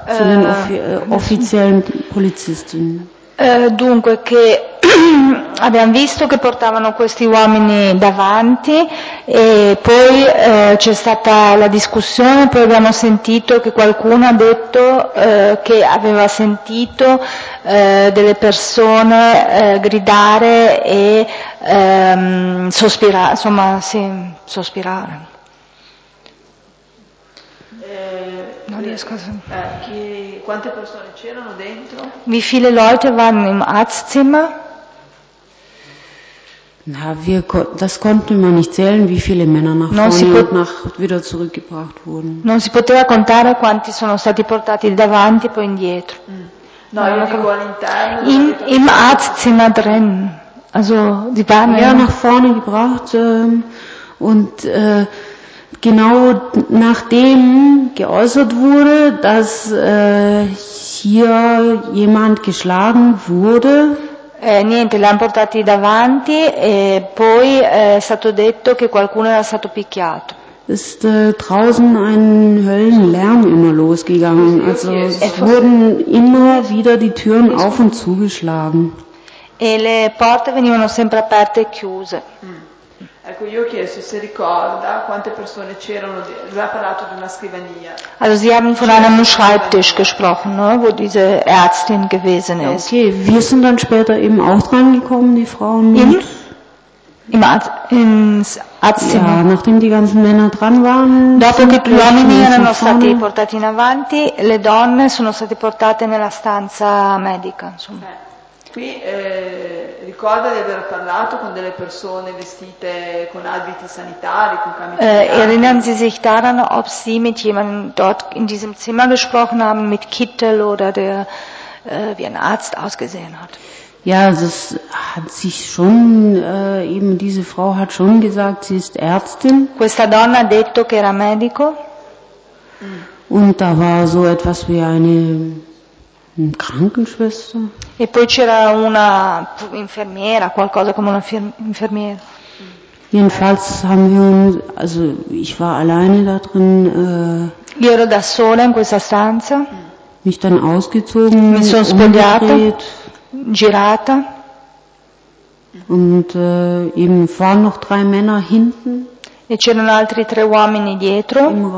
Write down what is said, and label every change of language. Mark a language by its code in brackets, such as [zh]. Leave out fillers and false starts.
[de] zu den offiziellen Polizisten. [it] Dunque, che abbiamo visto che portavano questi uomini davanti e poi c'è stata la discussione, poi abbiamo sentito che qualcuno ha detto che aveva sentito delle persone gridare e sospirare, insomma, sì, sospirare. Quante persone c'erano dentro? [de] Wie viele Leute waren im Arztzimmer? Na, das konnte man nicht zählen, wie viele Männer nach vorne und nach wieder zurückgebracht wurden. [it] Non si poteva contare quanti sono stati portati davanti e poi indietro. No, io dico all'interno. [de] Im Arztzimmer drin. Also, die waren ja nach vorne gebracht und genau nachdem geäußert wurde, dass hier jemand geschlagen wurde. [it] Niente, li hanno portati davanti e poi è stato detto che qualcuno era stato picchiato. [de] Ist draußen ein Höllenlärm immer losgegangen. Also es wurden immer wieder die Türen auf und zugeschlagen. [it] E le porte venivano sempre aperte e chiuse. Ecco, io ho chiesto se ricorda quante persone c'erano, lui ha parlato di una scrivania. [de] Also sie haben von einem Schreibtisch gesprochen, ne, wo diese Ärztin gewesen ist. Okay, wir sind dann später eben auch dran gekommen, die Frauen. Ins Arztzimmer. Ja, nachdem die ganzen Männer dran waren. [it] Dopo che gli uomini erano stati portati in avanti, le donne sono state portate nella stanza medica, insomma. Okay. Qui ricorda di aver parlato con delle persone vestite con abiti sanitari, con camici bianchi. [de] Erinnern Sie sich daran, ob Sie mit jemandem dort in diesem Zimmer gesprochen haben, mit Kittel oder der wie ein Arzt ausgesehen hat? Ja, das hat sich schon, eben diese Frau hat schon gesagt, sie ist Ärztin. [it] Questa donna ha detto che era medico. [de] Und da war so etwas wie eine Krankenschwester. [it] E poi c'era una infermiera, qualcosa come una infermiera. [de] Jedenfalls haben wir, also ich war alleine da drin. [it] Io ero da sola in questa stanza. [de] Mich dann ausgezogen, [it] mi sono spogliata. girata. [de] Und eben vorne noch drei Männer hinten. [it] E c'erano altri tre uomini dietro.